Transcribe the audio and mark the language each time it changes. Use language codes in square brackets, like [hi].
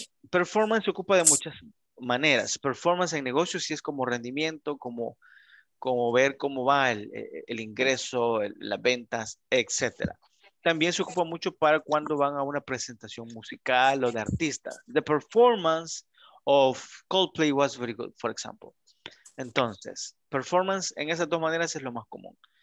[es] Performance se ocupa de muchas maneras. Performance en negocios sí es como rendimiento, como ver cómo va el ingreso, las ventas, etc. También se ocupa mucho para cuando van a una presentación musical o de artista. [en] The performance of Coldplay was very good, for example. [es] Entonces, performance en esas dos maneras es lo más común.